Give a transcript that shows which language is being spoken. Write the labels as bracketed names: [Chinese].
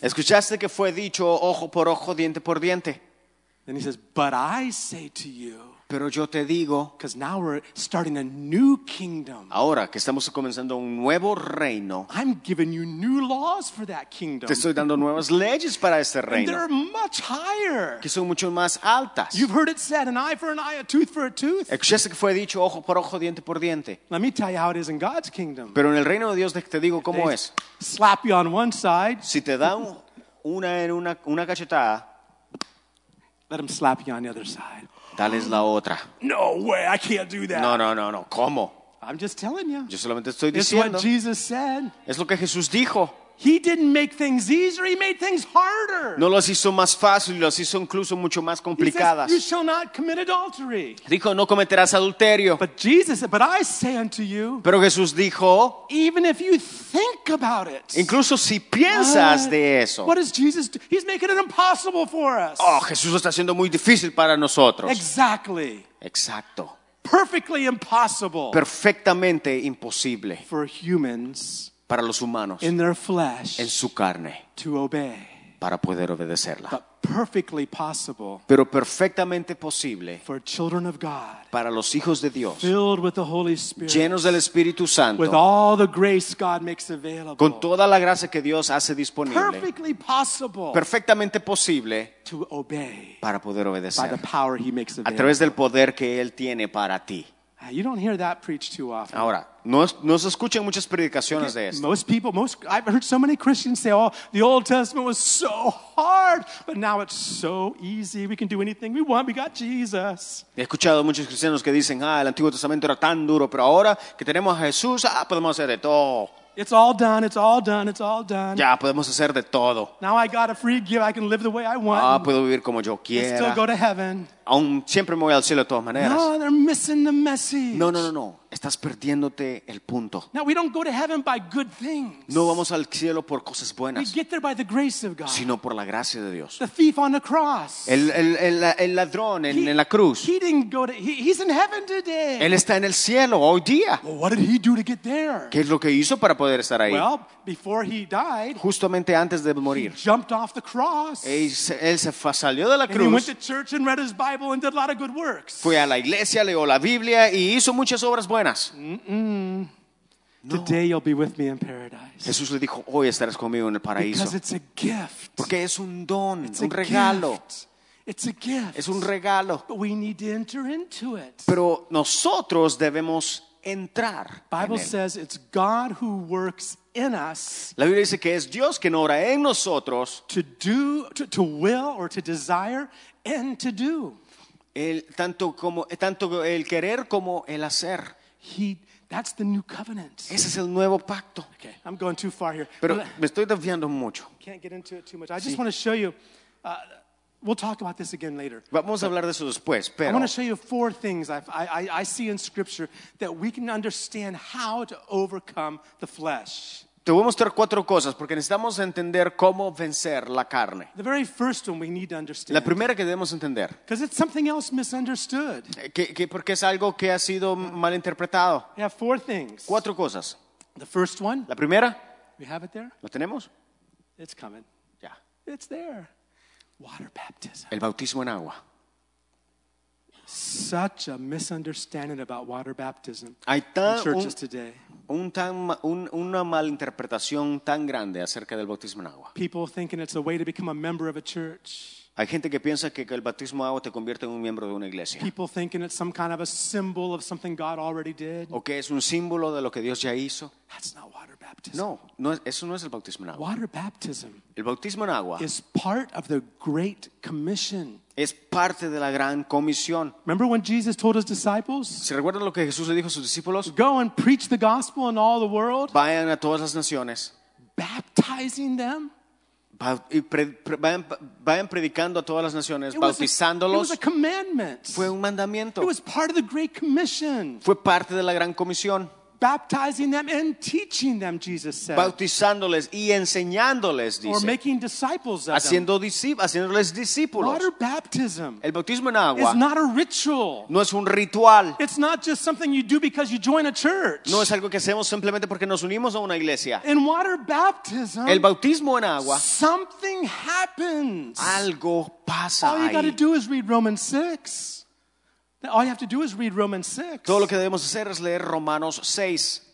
[Spanish] ¿Escuchaste que fue dicho ojo por ojo, diente por diente? [English] And he says, but I say to you. [Spanish] Pero yo te digo, [English] because now we're starting a new kingdom. [Spanish] Ahora que estamos comenzando un nuevo reino, [English] I'm giving you new laws for that kingdom. [Spanish] Te estoy dando nuevas leyes para este reino. [English] They're much higher. [Spanish] Que son mucho más altas. [English] You've heard it said, an eye for an eye, a tooth for a tooth. [Spanish] Escuchaste que fue dicho ojo por ojo, diente por diente. [English] Let me tell you how it is in God's kingdom. [Spanish] Pero en el reino de Dios te digo cómo es. [English] Slap you on one side. [Spanish] Si te dan una cachetada, [English] let him slap you on the other side. [Spanish] Tal es la otra. [English] No way, I can't do that. [Spanish] No. ¿Cómo? [English] I'm just telling you. [Spanish] Yo solamente estoy diciendo. [English] It's what Jesus said. [Spanish] Es lo que Jesús dijo. [English] He didn't make things easier, he made things harder. [Spanish] No los hizo más fácil, los hizo incluso mucho más complicadas. [English] He says, you shall not commit adultery. [Spanish] Dijo, no cometerás adulterio. [English] But Jesus said, but I say unto you. [Spanish] Pero Jesús dijo, [English] even if you think about it. [Spanish] Incluso si piensas [English] what? [Spanish] De eso. [English] What does Jesus do? He's making it impossible for us. [Spanish] Oh, Jesús lo está haciendo muy difícil para nosotros. [English] Exactly. [Spanish] Exacto. [English] Perfectly impossible. [Spanish] Perfectamente imposible. [English] For humans. [Spanish] Para los humanos, [English] in their flesh, [Spanish] en su carne, [English] to obey, [Spanish] para poder obedecerla. [English] But perfectly possible, [Spanish] pero perfectamente posible, [English] for children of God, [Spanish] para los hijos de Dios, [English] filled with the Holy Spirit, [Spanish] llenos del Espíritu Santo, [English] with all the grace God makes available, [Spanish] con toda la gracia que Dios hace disponible, [English] perfectly possible, [Spanish] perfectamente posible, [English] to obey, [Spanish] para poder obedecer, [English] by the power He makes available, [Spanish] a través del poder que Él tiene para ti. [English] You don't hear that preached too often. [Spanish] Ahora, no se escuchan muchas predicaciones de esto. [English] Most people, I've heard so many Christians say, oh, the Old Testament was so hard, but now it's so easy. We can do anything we want. We got Jesus. [Spanish] He escuchado muchos cristianos que dicen, ah, el Antiguo Testamento era tan duro, pero ahora que tenemos a Jesús, ah, podemos hacer de todo. [English] It's all done, it's all done, it's all done. [Spanish] Ya podemos hacer de todo. [English] Now I got a free gift, I can live the way I want. [Spanish] Ah, puedo vivir como yo quiera. [English] And still go to heaven. [Spanish] Aún siempre me voy al cielo de todas maneras. [English] No, they're missing the message. [Spanish] No. Estás perdiéndote el punto. [English] Now we don't go to heaven by good things. [Spanish] No vamos al cielo por cosas buenas. [English] We get there by the grace of God. [Spanish] Sino por la gracia de Dios. [English] The thief on the cross. [Spanish] El ladrón en la cruz. [English] He didn't go to. He's in heaven today. [Spanish] Él está en el cielo hoy día. [English] Well, what did he do to get there? [Spanish] ¿Qué es lo que hizo para poder estar ahí? [English] Well, before he died. [Spanish] Justamente antes de morir. [English] He jumped off the cross. [Spanish] Él salió de la cruz. [English] And he went to church and read his Bible and did a lot of good works. [Spanish] Fue a la iglesia, leyó la Biblia y hizo muchas obras buenas. [English] No. Today you'll be with me in paradise. [Spanish] Jesús le dijo, hoy estarás conmigo en el paraíso. [English] Because it's a gift. [Spanish] Porque es un don, [English] it's [Spanish] un regalo. [English] It's a gift. [Spanish] Es un regalo. [English] But we need to enter into it. [Spanish] Pero nosotros debemos entrar. [English] Bible says it's God who works in us. [Spanish] La Biblia dice que es Dios quien obra en nosotros. [English] To will or to desire and to do. [Spanish] Tanto el querer como el hacer. [English] That's the new covenant. [Spanish] Ese es el nuevo pacto. [English] Okay, I'm going too far here. [Spanish] Pero me estoy desviando mucho. [English] Can't get into it too much. I just want to show you. We'll talk about this again later. [Spanish] Vamos a hablar de eso después. Pero [English] I want to show you four things I see in Scripture that we can understand how to overcome the flesh. [Spanish] Te voy a mostrar cuatro cosas porque necesitamos entender cómo vencer la carne. [English] The very first one we need to understand. [Spanish] La primera que debemos entender. [English] Because it's something else misunderstood. [Spanish] Que porque es algo que ha sido malinterpretado. [English] We have four things. [Spanish] Cuatro cosas. [English] The first one. [Spanish] La primera. [English] We have it there. [Spanish] ¿La tenemos? [English] It's coming. Yeah. It's there. Water baptism. [Spanish] El bautismo en agua. [English] Such a misunderstanding about water baptism in churches today. [Spanish] Una malinterpretación tan grande acerca del bautismo en agua. [English] People thinking it's a way to become a member of a church. [Spanish] Hay gente que piensa que el bautismo en agua te convierte en un miembro de una iglesia. [English] People thinking it's some kind of a symbol of something God already did. [Spanish] O que es un símbolo de lo que Dios ya hizo. [English] That's not water baptism. [Spanish] No, eso no es el bautismo en agua. [English] Water baptism. [Spanish] El bautismo en agua [English] is part of the Great Commission. [Spanish] Es parte de la gran comisión. [English] Remember when Jesus told his disciples? [Spanish] ¿Se recuerdan lo que Jesús le dijo a sus discípulos? [English] Go and preach the gospel in all the world. [Spanish] Vayan a todas las naciones. [English] Baptizing them. [Spanish] Vayan predicando a todas las naciones, bautizándolos. [English] It was a commandment. [Spanish] Fue un mandamiento. [English] It was part of the Great Commission. [Spanish] Fue parte de la gran comisión. [English] Baptizing them and teaching them, Jesus said. [Spanish] Bautizándoles y enseñándoles, dice. [English] Or making disciples of them. [Spanish] Haciéndoles discípulos. [English] Water baptism. [Spanish] El bautismo en agua. [English] Is not a ritual. [Spanish] No es un ritual. [English] It's not just something you do because you join a church. [Spanish] No es algo que hacemos simplemente porque nos unimos a una iglesia. [English] In water baptism. [Spanish] El bautismo en agua. [English] Something happens. [Spanish] Algo pasa. [English] All you got to do is read Romans 6. All you have to do is read Romans 6. [Spanish] Todo lo que debemos hacer es leer Romanos 6.